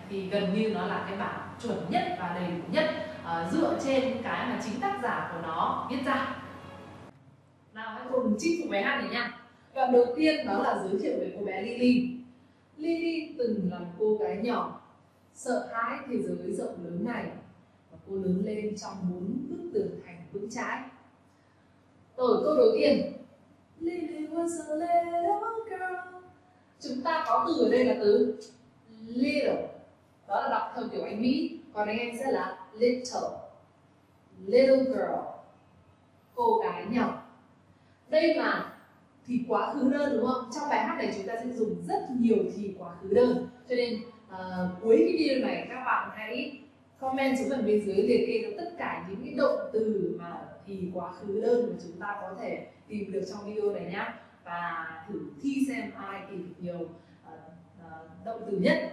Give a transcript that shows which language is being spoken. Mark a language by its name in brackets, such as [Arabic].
[Vietnamese] Thì gần như nó là cái bản chuẩn nhất và đầy đủ nhất dựa trên cái mà chính tác giả của nó viết ra. Nào hãy cùng chinh phục bài hát này nha. Và đầu tiên đó là giới thiệu về cô bé Lily. Lily từng là một cô gái nhỏ, sợ hãi thế giới rộng lớn này. Và cô lớn lên trong bốn bức tường thành vững chãi. Ở câu đầu tiên, [English] Lily was a little girl, [Vietnamese] chúng ta có từ ở đây là từ little, đó là đọc theo kiểu Anh Mỹ, còn anh em sẽ là little, little girl, cô gái nhỏ. Đây mà thì quá khứ đơn đúng không? Trong bài hát này chúng ta sẽ dùng rất nhiều thì quá khứ đơn, cho nên cuối cái video này các bạn hãy comment xuống phần bên dưới liệt kê tất cả những cái động từ mà thì quá khứ đơn mà chúng ta có thể tìm được trong video này nhé, và thử thi xem ai tìm được nhiều động từ nhất.